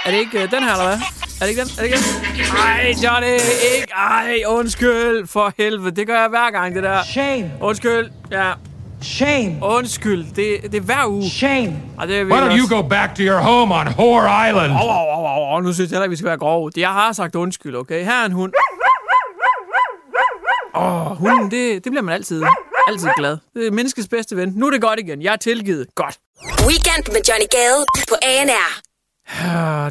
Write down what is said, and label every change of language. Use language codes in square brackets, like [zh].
[da] Er det ikke den her, eller hvad? Er det ikke den? Er det ikke den? Ej, Johnny, ikke. Ej, undskyld for helvede. Det gør jeg hver gang, det der. [en] Shame. [da] Undskyld, ja. [en] Shame. [da] Undskyld, det er hver uge. [en] Shame. [da] Og det er [en] Why don't you go back to your home on Whore Island? [da] Åh, nu synes jeg heller, vi skal være grove. Jeg har sagt undskyld, okay? Her er en hund. Hunden, det bliver man altid glad. Det er menneskets bedste ven. Nu er det godt igen. Jeg er tilgivet. Godt. Weekend med Johnny Gade på ANR.